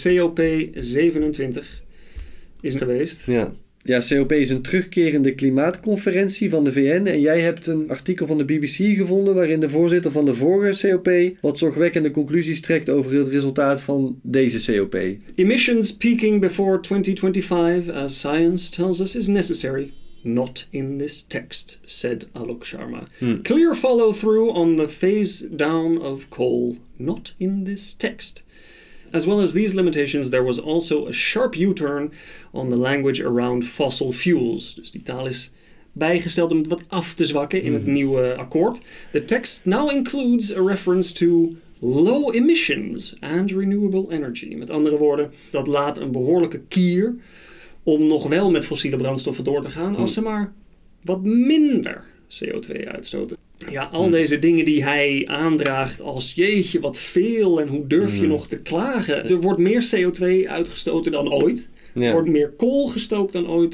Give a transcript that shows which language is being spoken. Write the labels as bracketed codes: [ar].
[nl] COP27 is geweest. Ja. Ja, COP is een terugkerende klimaatconferentie van de VN. En jij hebt een artikel van de BBC gevonden waarin de voorzitter van de vorige COP wat zorgwekkende conclusies trekt over het resultaat van deze COP. [en] Emissions peaking before 2025, as science tells us, is necessary. Not in this text, said Alok Sharma. Clear follow-through on the phase-down of coal. Not in this text. As well as these limitations, there was also a sharp U-turn on the language around fossil fuels. [nl] Dus die taal is bijgesteld om het wat af te zwakken in het nieuwe akkoord. [en] The text now includes a reference to low emissions and renewable energy. [nl] Met andere woorden, dat laat een behoorlijke kier om nog wel met fossiele brandstoffen door te gaan, als ze maar wat minder CO2 uitstoten. Ja, al deze dingen die hij aandraagt als jeetje wat veel en hoe durf je nog te klagen. Er wordt meer CO2 uitgestoten dan ooit. Er wordt meer kool gestookt dan ooit.